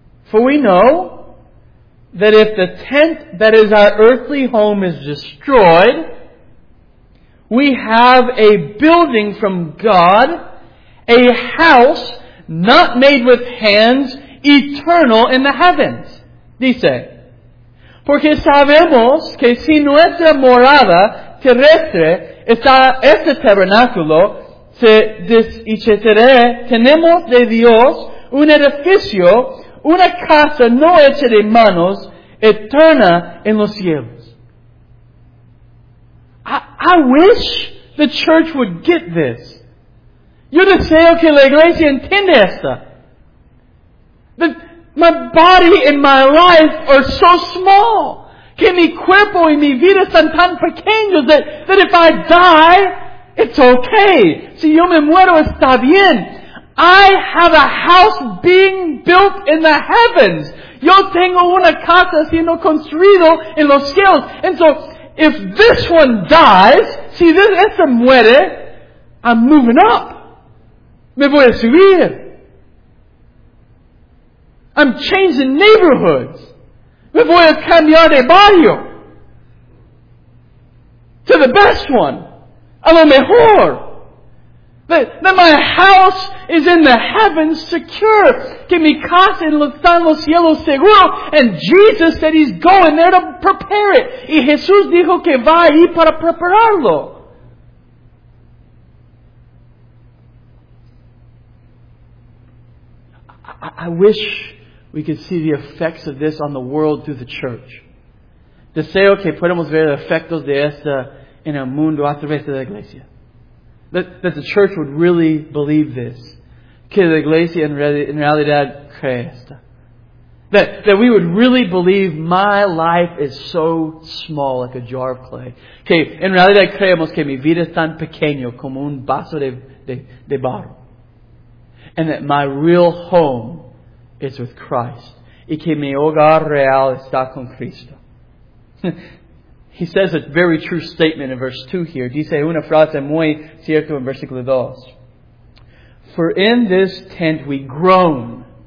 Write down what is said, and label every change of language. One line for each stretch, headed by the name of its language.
English: For we know that if the tent that is our earthly home is destroyed, we have a building from God, a house not made with hands, eternal in the heavens.
Spanish: Dice, porque sabemos que si nuestra morada terrestre está este tabernáculo, tenemos de Dios un edificio, una casa no hecha de manos, eterna en los cielos.
English: I wish the church would get this.
Spanish: Yo deseo que la iglesia entienda esta.
English: That my body and my life are so small.
Spanish: Que mi cuerpo y mi vida son tan pequeños
English: that if I die, it's okay.
Spanish: Si yo me muero, está bien.
English: I have a house being built in the heavens.
Spanish: Yo tengo una casa siendo construido en los cielos.
English: And so, if this one dies,
Spanish: si esta muere,
English: I'm moving up.
Spanish: Me voy a subir.
English: I'm changing neighborhoods.
Spanish: Me voy a cambiar de barrio.
English: To the best one.
Spanish: A lo mejor.
English: That my house is in the heavens secure.
Spanish: Que mi casa está en los cielos seguro.
English: And Jesus said he's going there to prepare it.
Spanish: Y Jesús dijo que va ahí para prepararlo.
English: I wish we could see the effects of this on the world through the church.
Spanish: Deseo que podamos ver los efectos de esta en el mundo a través de la iglesia.
English: That the church would really believe this.
Spanish: Que la iglesia en realidad cree esta.
English: That we would really believe my life is so small like a jar of clay.
Spanish: Que en realidad creemos que mi vida es tan pequeño como un vaso de barro.
English: And that my real home is with Christ.
Spanish: Y que mi hogar real está con Cristo.
English: He says a very true statement in verse 2 here.
Spanish: Dice una frase muy cierta en versículo 2.
English: For in this tent we groan.